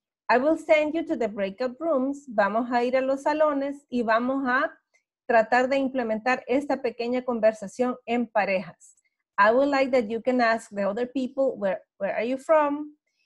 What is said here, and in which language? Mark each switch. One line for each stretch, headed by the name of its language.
English: I will send you to the breakout rooms.
Spanish: Vamos a ir a los salones y vamos a tratar de implementar esta pequeña conversación en parejas.
English: I would like that you can ask the other people, where are you from?